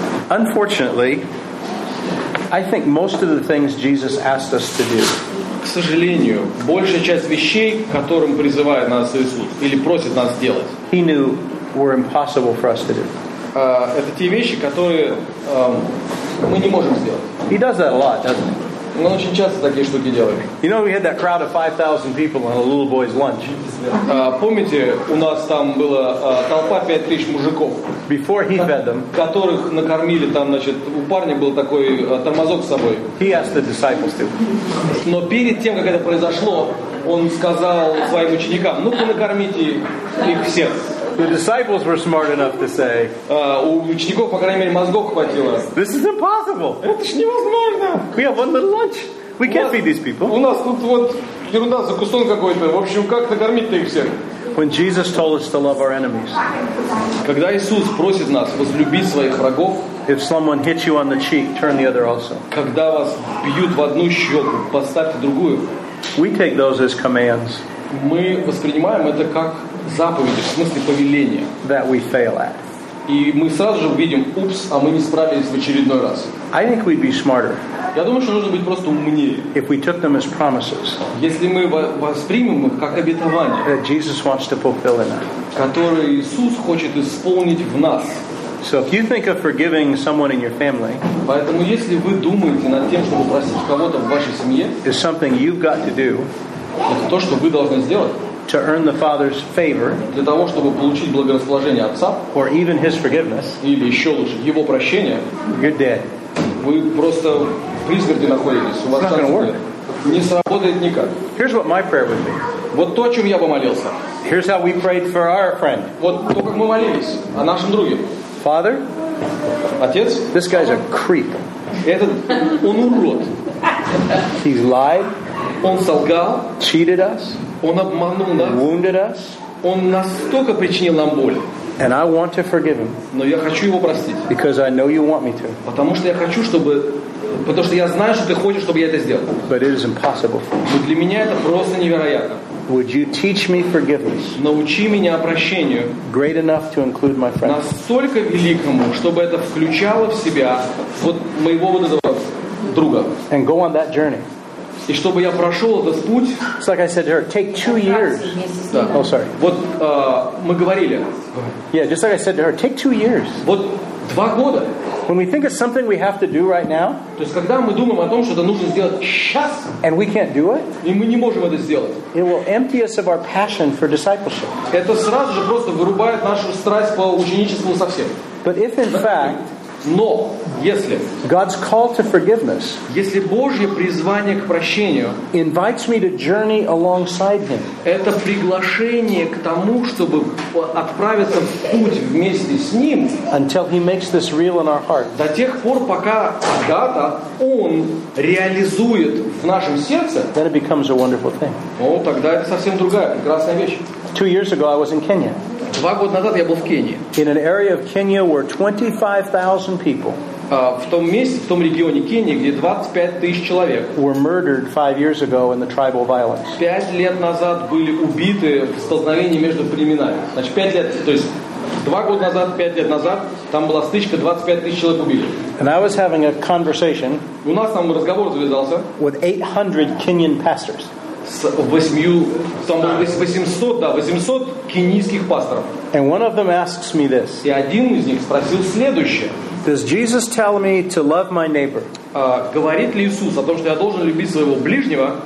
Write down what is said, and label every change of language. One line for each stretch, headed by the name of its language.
English: Unfortunately, I think most of the things Jesus asked us to do.
Russian: К сожалению, большая часть вещей, которым призывает нас Иисус или просит нас делать,
English: He knew were impossible for us to do.
Russian: Это те вещи, которые мы не можем сделать.
English: He does that a lot, doesn't he?
Russian: Он очень часто такие штуки делает.
English: You know, we had that crowd of 5,000 people on a little boy's lunch.
Russian: Помните, у нас там была толпа 5000 мужиков.
English: Before he fed them,
Russian: которых накормили, там, значит, у парня был такой тормозок с собой.
English: He asked the disciples to.
Russian: Но перед тем, как это произошло, он сказал своим ученикам: "Ну-ка, накормите их всех."
English: The disciples were smart enough to say, this is impossible.
Russian: Это ж невозможно.
English: We have one little lunch. We can't feed these people.
Russian: У нас тут вот ерунда, закусон какой-то. В общем, как накормить-то их всех?
English: When Jesus told us to love our enemies,
Russian: когда Иисус просит нас возлюбить своих врагов,
English: if someone hits you on the cheek, turn the other also.
Russian: Когда вас бьют в одну щеку, поставьте другую.
English: We take those as commands.
Russian: Мы воспринимаем это как заповеди, в смысле повеления.
English: That we fail at.
Russian: И мы сразу же видим, упс, а мы не справились в очередной раз.
English: I think we'd be smarter.
Russian: Я думаю, что нужно быть просто умнее.
English: If we took them as promises.
Russian: Если мы воспримем их как обетование.
English: That Jesus wants to fulfill in us.
Russian: Которое Иисус хочет исполнить в нас.
English: So if you think of forgiving someone in your family,
Russian: поэтому если вы думаете над тем, чтобы простить кого-то в вашей семье,
English: is something you've got to do.
Russian: Это то, что вы должны сделать.
English: To earn the Father's favor,
Russian: для того, чтобы получить благорасположение Отца,
English: or even His forgiveness,
Russian: или еще лучше, Его прощение,
English: you're dead.
Russian: Вы просто при смерти находитесь. У вас
English: it's not gonna work.
Russian: Не сработает никак.
English: Here's what my prayer would be.
Russian: Вот то, о чем я помолился.
English: Here's how we prayed for our friend.
Russian: Вот то, как мы молились о нашем друге.
English: Father,
Russian: Отец,
English: this guy's a creep.
Russian: Этот, он урод.
English: He's lied.
Russian: Он солгал.
English: Cheated us.
Russian: Он обманул нас.
English: Wounded us.
Russian: Он настолько причинил нам боль.
English: And I want to forgive him.
Russian: Но я хочу его простить.
English: Because I know you want me to.
Russian: Потому что я хочу, чтобы... Потому что я знаю, что ты хочешь, чтобы я это сделал.
English: But it is impossible for
Russian: me. Но для меня это просто невероятно.
English: Would you teach me forgiveness?
Russian: Научи меня прощению.
English: Great enough to include my friend.
Russian: Настолько великому, чтобы это включало в себя вот моего вот этого друга.
English: And go on that journey.
Russian: И чтобы я прошел этот путь...
English: It's like I said to her, take 2 years. Yeah. Oh, sorry.
Russian: Вот мы говорили.
English: Yeah, just like I said to her, take 2 years.
Russian: Вот 2 года.
English: When we think of something we have to do right now,
Russian: то есть когда мы думаем о том, что это нужно сделать сейчас,
English: and we can't do it,
Russian: и мы не можем это сделать,
English: it will empty us of our passion for discipleship.
Russian: Это сразу же просто вырубает нашу страсть по ученичеству совсем.
English: But if in fact...
Russian: Но если
English: God's call to forgiveness,
Russian: если Божье призвание к прощению,
English: invites me to journey alongside Him,
Russian: это приглашение к тому, чтобы отправиться в путь вместе с Ним,
English: until He makes this real in our heart,
Russian: до тех пор, пока когда-то Он реализует в нашем сердце,
English: then it becomes a wonderful thing.
Russian: О, тогда это совсем другая прекрасная вещь.
English: 2 years ago, I was in Kenya.
Russian: 2 года назад я был в Кении.
English: In an area of Kenya where 25,000 people
Russian: в том месте, в том регионе Кении, где 25 тысяч человек
English: were murdered 5 years ago in the tribal violence.
Russian: 5 лет назад были убиты в столкновении между племенами. Значит, 5 лет, то есть 2 года назад, 5 лет назад, там была стычка, 25 тысяч человек убили.
English: And I was having a conversation
Russian: у нас там разговор завязался
English: with 800 Kenyan pastors.
Russian: С 800 кенийских пасторов.
English: And one of them asks me this.
Russian: И один из них спросил следующее.
English: Does Jesus tell me to love my neighbor?
Russian: Говорит ли Иисус о том, что я должен любить своего ближнего?